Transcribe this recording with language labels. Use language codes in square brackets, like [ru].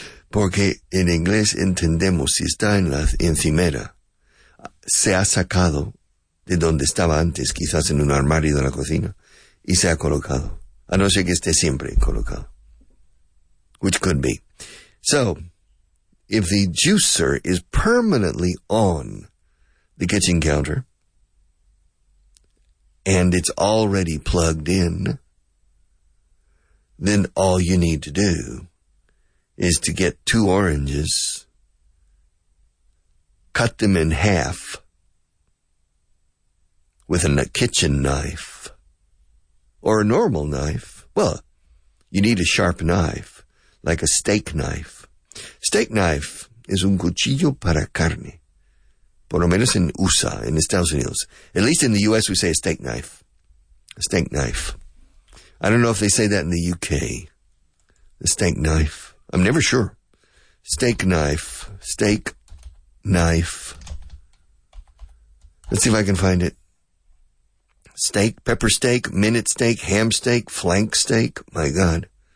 [es] Porque en inglés entendemos si está en la encimera, se ha sacado de donde estaba antes, quizás en un armario de la cocina, y se ha colocado. A no ser que esté siempre colocado. [en] Which could be. So, if the juicer is permanently on the kitchen counter, and it's already plugged in, then all you need to do is to get two oranges, cut them in half with a kitchen knife or a normal knife. Well, you need a sharp knife, like a steak knife. Steak knife is [es] un cuchillo para carne. Por lo menos en USA, en Estados Unidos. [en] At least in the U.S. we say a steak knife. A steak knife. I don't know if they say that in the U.K. A steak knife. I'm never sure. Steak knife. Steak knife. Let's see if I can find it. Steak, pepper steak, minute steak, ham steak, flank steak. My God.